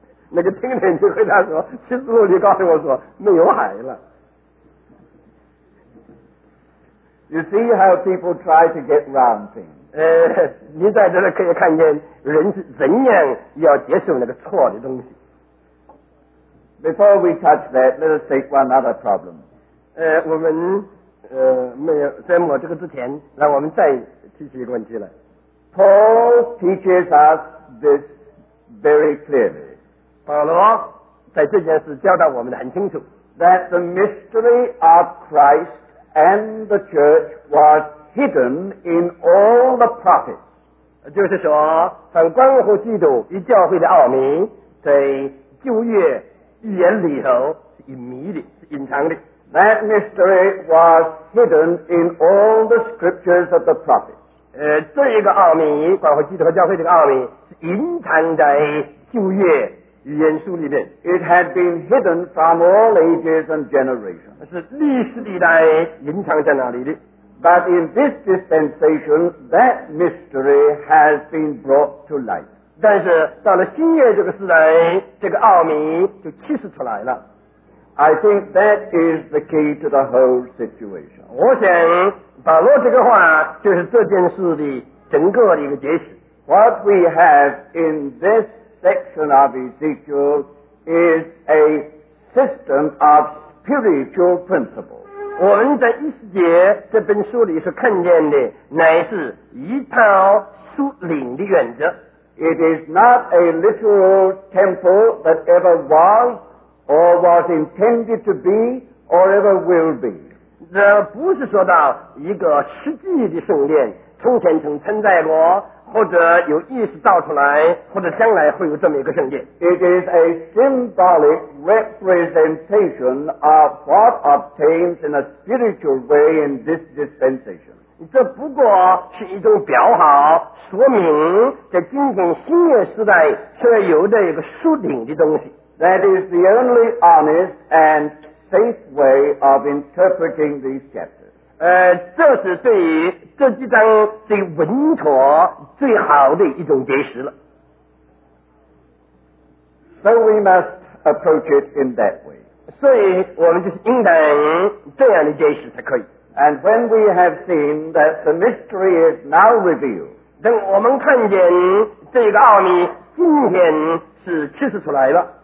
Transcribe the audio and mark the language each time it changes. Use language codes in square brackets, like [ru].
[zh] 那个听人就回答说，其实你告诉我说没有海了。 [en] You see how people try to get round things. [zh] 你在这里可以看见人怎样要接受那个错的东西。 [en] Before we touch that, let us take one other problem. [zh] 我们没有在抹这个之前，让我们再提起一个问题来。 [en] Paul teaches us this very clearly. [zh] 保罗在这件事教导我们的很清楚。 [en] That the mystery of Christ. And the church was hidden in all the prophets. [zh] 就是说，反关乎基督与教会的奥秘，在旧约预言里头是隐秘的，是隐藏的。 [en] That mystery was hidden in all the scriptures of the prophets. [zh] 这一个奥秘，关乎基督和教会这个奥秘，是隐藏在旧约。 [en] It had been hidden from all ages and generations. [zh] 是历史历代隐藏在哪里的。 [en] But in this dispensation, that mystery has been brought to light. [zh] 但是到了新约这个时代，这个奥秘就启示出来了。 [en] I think that is the key to the whole situation. [zh] 我想保罗这个话就是这件事的整个的一个解释。 [en] What we have in this section of Ezekiel is a system of spiritual principles. [zh] 我们在以西结这本书里所看见的乃是一套属灵的原则。 [en] It is not a literal temple that ever was, or was intended to be, or ever will be. [zh] 这不是说到一个实际的圣殿，从前曾存在过，或者有意识造出来，或者将来会有这么一个圣殿。 [en] It is a symbolic representation of what obtains in a spiritual way in this dispensation. [zh] 这不过是一种表号，说明在今天新约时代却有的一个属灵的东西。 [en] That is the only honest and safe way of interpreting these chapters. [zh] 这是对于这几章最稳妥最好的一种解释了。 [en] So we must approach it in that way. [zh] 所以我们就是应当这样的解释才可以。 [en] And when we have seen that the mystery is now revealed, [zh] 等我们看见这个奥秘今天是揭示出来了。